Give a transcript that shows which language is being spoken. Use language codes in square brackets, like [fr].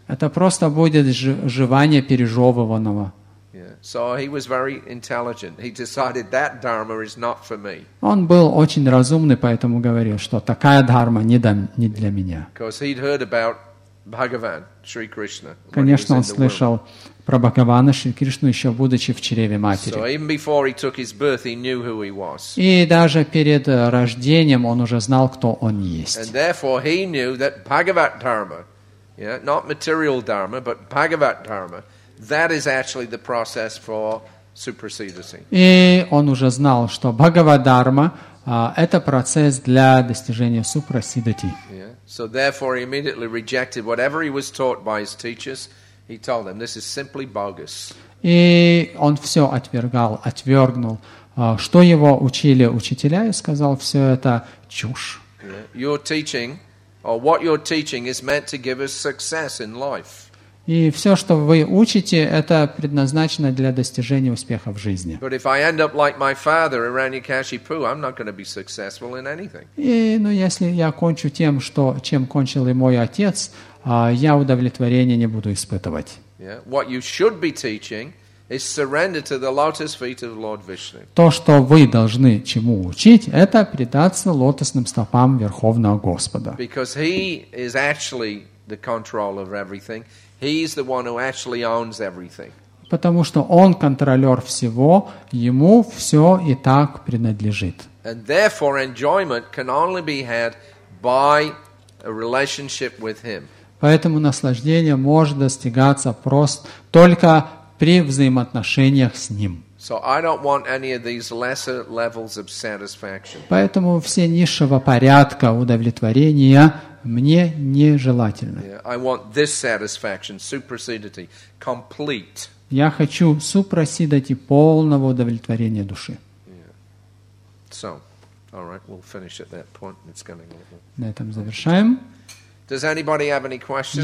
[ru] Это просто будет жевание пережевыванного. [en] So he was very intelligent. He decided that dharma is not for me. [ru] Он был очень разумный, поэтому говорил, что такая дхарма не для меня. [en] Because he'd heard about Bhagavan, Shri Krishna. [ru] Конечно, он слышал про Бхагавана Шри Кришну еще будучи в чреве матери. [en] So even before he took his birth, he knew who he was. [ru] И даже перед рождением он уже знал, кто он есть. [en] And therefore he knew that Bhagavat Dharma, yeah, not material Dharma, but Bhagavat Dharma, that is actually the process for supersedency. [ru] И он уже знал, что Бхагават Дхарма это процесс для достижения супрасидати. [en] So therefore he immediately rejected whatever he was taught by his teachers. He told them this is simply bogus. [ru] И он всё отвергнул, что его учили учителя, и сказал: всё это чушь. [en] Your teaching or what you're teaching is meant to give us success in life. [ru] И всё, что вы учите, это предназначено для достижения успеха в жизни. [en] But if I end up like my father, Hiranyakashipu, I'm not going to be successful in anything. [ru] И, ну, если я кончу тем, что чем кончил и мой отец, я удовлетворения не буду испытывать. [en] Yeah. What you should be teaching is surrender to the lotus feet of Lord Vishnu. [ru] То, что вы должны чему учить, это предаться лотосным стопам Верховного Господа. [en] Because he is actually the control of everything. He's the one who actually owns everything. [ru] Потому что он контролёр всего, ему всё и так принадлежит. [en] And therefore enjoyment can only be had by a relationship with him. [ru] Поэтому наслаждение может достигаться просто только при взаимоотношениях с ним. [en] So I don't want any of these lesser levels of satisfaction. [ru] Поэтому все низшего порядка удовлетворения мне нежелательно. [en] I want this satisfaction, supersedity, complete. [ru] Я хочу супрасидати полного удовлетворения души. [en] Yeah. So, all right, we'll finish at that point. It's coming. [ru] На этом завершаем. [en] Does anybody have any questions?